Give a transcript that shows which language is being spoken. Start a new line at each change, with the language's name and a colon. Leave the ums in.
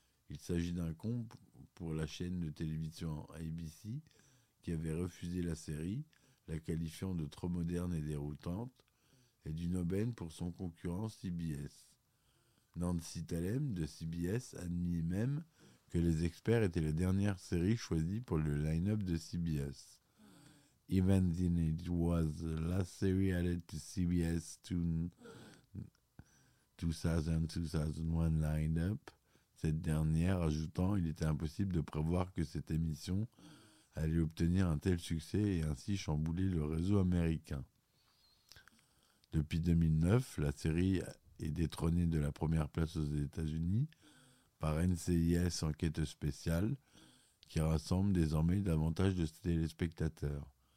French: Il s'agit d'un con p- pour la chaîne de télévision ABC qui avait refusé la série, la qualifiant de trop moderne et déroutante, et d'une aubaine pour son concurrent CBS. Nancy Talem de CBS admit même que les experts étaient la dernière série choisie pour le line-up de CBS.
English: even then it was the last series added to CBS to 2000-2001 lineup.
French: Cette dernière ajoutant, il était impossible de prévoir que cette émission allait obtenir un tel succès et ainsi chambouler le réseau américain. Depuis 2009, la série est détrônée de la première place aux États-Unis par NCIS Enquête spéciale, qui rassemble désormais davantage de téléspectateurs.